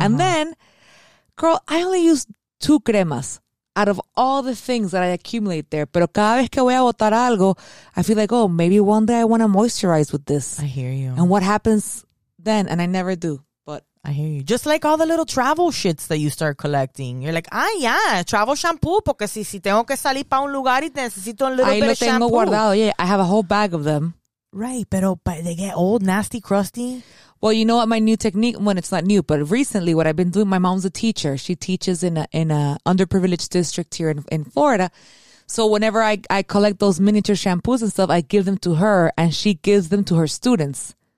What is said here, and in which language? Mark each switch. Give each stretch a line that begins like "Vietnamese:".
English: And then, girl, I only use 2 cremas out of all the things that I accumulate there.
Spanish: Pero cada vez que voy a botar algo,
English: I feel like, oh, maybe one day I want to moisturize with this. I hear you. And what happens then? And I never do. I hear you. Just like all the little travel shits that you start collecting. You're like, ah, yeah, travel shampoo.
Spanish: Porque si tengo que salir para un lugar y necesito un
English: little bit of shampoo.
Spanish: Ahí lo tengo guardado.
English: Yeah, I have a whole bag of them. Right, but they get old, nasty, crusty. Well, you know what my new technique, when it's not new, but recently what I've been doing, my mom's a teacher. She teaches in a underprivileged district here in Florida. So whenever I collect those miniature shampoos and stuff, I give them to her and she gives them to her students